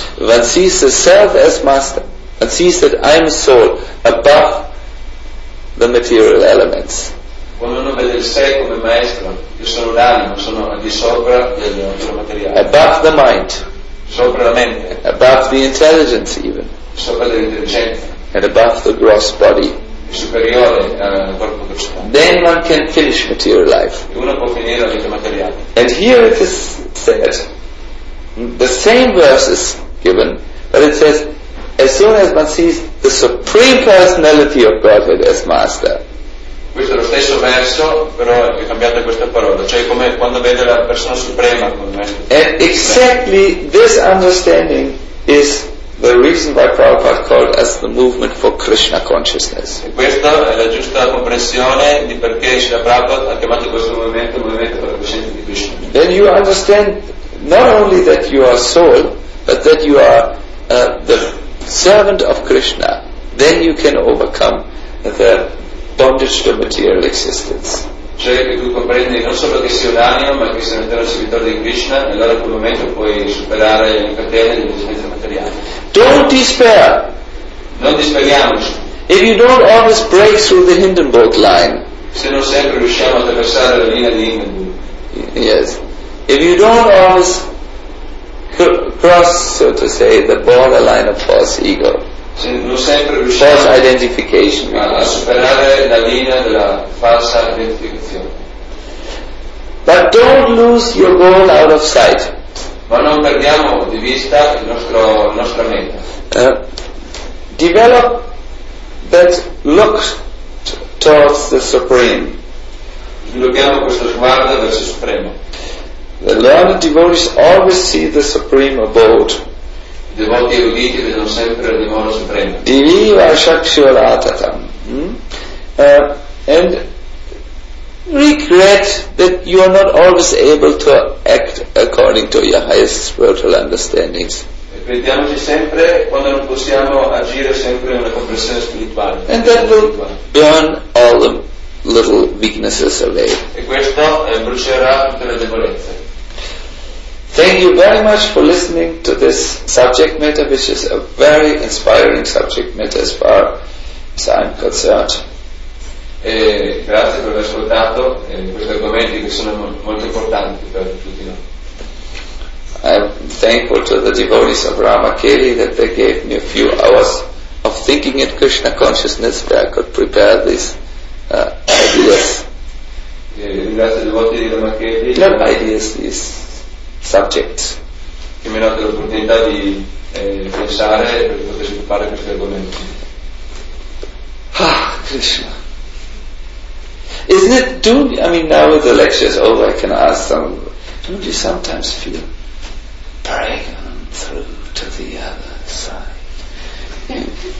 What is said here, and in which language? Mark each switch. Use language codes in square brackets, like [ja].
[en] One sees the self as master and sees that I am soul above the material elements. [it] Quando uno vede il sé come maestro, io sono l'anima, sono al di sopra del materiale. [en] Above the mind. [it] Sopra la mente. [en] Above the intelligence even. [it] Sopra l'intelligenza. [en] And above the gross body. [it] Superiore al corpo grosso. [en] Then one can finish material life. [it] Uno può finire la vita materiale. [en] And here it is said. The same verse is given, but it says, as soon as one sees the Supreme Personality of Godhead as Master. [it] Questo è lo stesso verso, però è cambiata questa parola, cioè come quando vede la persona suprema come Maestro. [en] And exactly this understanding is the reason why Prabhupada called us the movement for Krishna consciousness. [it] E questa è la giusta comprensione di perché Srila Prabhupada ha chiamato questo movimento movimento per la coscienza di Krishna. [en] Then you understand not only that you are soul, but that you are the servant of Krishna, then you can overcome the bondage to material existence. [it] Cioè che tu comprendi non solo che sei un'anima, ma che sei un intero servitore di Krishna, e allora in quel momento puoi superare le catene dell'esistenza materiale. [en] Don't despair. [it] Non disperiamoci. [en] If you don't always break through the Hindenburg line. [it] Se non sempre riusciamo a attraversare la linea di Hindenburg. [en] Yes. If you don't always cross, so to say, the borderline of false ego, false identification, [it] a superare la linea della falsa identificazione. [en] But don't lose your goal out of sight. [it] Ma non perdiamo di vista il nostro, la nostra meta. [en] Develop that look towards the Supreme. [it] Sviluppiamo questo sguardo verso il Supremo. [en] The learned devotees always see the supreme abode. [it] I devoti eruditi vedono sempre la dimora suprema. [sa] Diviva shakshuratatam. And [en] regret that you are not always able to act according to your highest spiritual understandings. [it] Ripetiamoci sempre quando non possiamo agire sempre nella comprensione spirituale. [en] And that will burn all the little weaknesses away. [it] E questo brucerà tutte le debolezze. [en] Thank you very much for listening to this subject matter, which is a very inspiring subject matter as far as I'm concerned. [it] Grazie per aver ascoltato questi argomenti che sono molto importanti per tutti noi. [en] I'm thankful to the devotees of Ramakeli that they gave me a few hours of thinking in Krishna consciousness where I could prepare these ideas. [it] Grazie ai devoti di Ramakeli. [en] Not ideas, these subjects. [it] Che mi hanno dato l'opportunità di pensare per poter sviluppare questi argomenti. [en] Ah, Krishna. Isn't it, now that the lecture is over, I can ask them, don't you sometimes feel dragon through to the other side?